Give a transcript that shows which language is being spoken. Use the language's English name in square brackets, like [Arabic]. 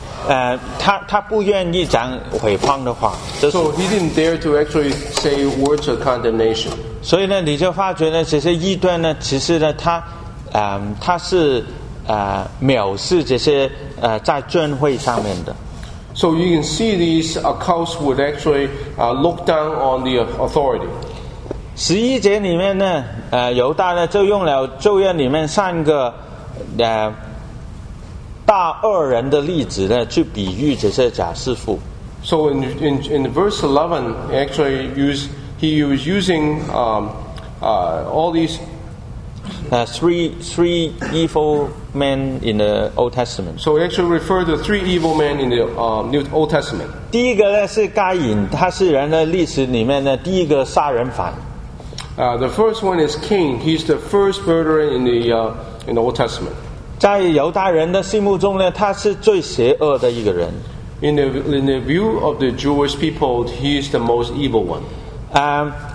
[Chinese] 他不愿意讲诽谤的话、就是。 [English] So he didn't dare to actually say words of condemnation. [Chinese] 所以呢，你就发觉呢，这些异端呢，其实呢，他是。藐视这些在尊会上面的。 [English] So you can see these accounts would actually look down on the authority. [Chinese] 十一节里面呢，犹大呢就用了旧约里面三个大恶人的例子呢，去比喻这些假师傅。 [English] So in verse 11, he was using all these. Three evil men in the Old Testament. So he actually referred to three evil men in the New Old Testament. [Chinese] 第一个呢是该隐，他是人的历史里面的第一个杀人犯。 [English] The first one is Cain. He's the first murderer in the Old Testament. [Chinese] 在犹大人的心目中呢，他是最邪恶的一个人。 [English] In the view of the Jewish people, he is the most evil one.